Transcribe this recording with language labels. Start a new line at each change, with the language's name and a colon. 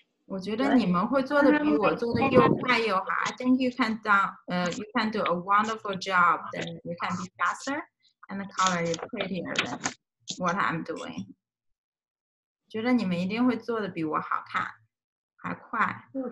Chinese: 我觉得你们会做的比我做的又快又好。
English: I think you can do a wonderful job. Then you can be faster and the color is prettier than what I'm doing.
Chinese: 觉得你们一定会做的比我好看，还快。